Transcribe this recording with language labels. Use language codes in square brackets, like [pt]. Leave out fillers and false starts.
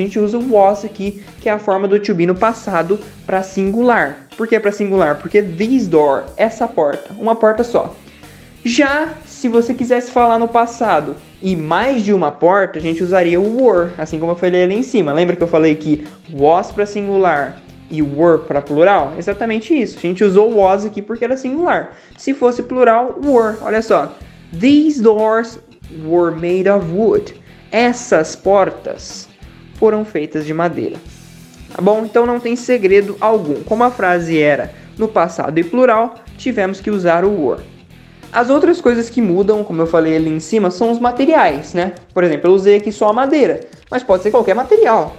[pt] A gente usa o was aqui, que é a forma do to be no passado, para singular. Por que para singular? Porque this door, essa porta, uma porta só. Já se você quisesse falar no passado e mais de uma porta, a gente usaria o were, assim como eu falei ali em cima. Lembra que eu falei que was para singular e were para plural? Exatamente isso. A gente usou o was aqui porque era singular. Se fosse plural, were. Olha só. [en] These doors were made of wood. [pt] Essas portas foram feitas de madeira. Tá bom? Então não tem segredo algum. Como a frase era no passado e plural, tivemos que usar o were. As outras coisas que mudam, como eu falei ali em cima, são os materiais, né? Por exemplo, eu usei aqui só a madeira, mas pode ser qualquer material.